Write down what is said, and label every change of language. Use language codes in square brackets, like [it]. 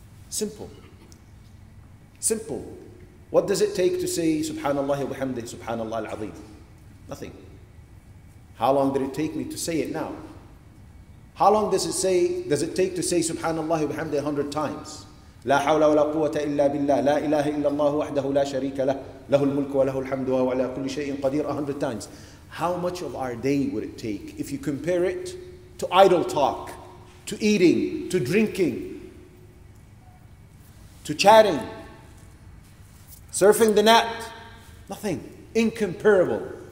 [en] Simple. Simple. What does it take to say [ar] Subhanallah wa bihamdihi Subhanallah al-Azim? [en] Nothing. How long did it take me to say it now? How long does it take to say [ar] Subhanallah wa bihamdihi [en] 100 times? [ar] لا حول ولا قوة إلا بالله لا إله إلا الله وحده لا شريك له له الملك وله الحمد وهو على كل شيء قدير [en] 100 times. How much of our day would it take if you compare it to idle talk, to eating, to drinking, to chatting, surfing the net? Nothing. Incomparable.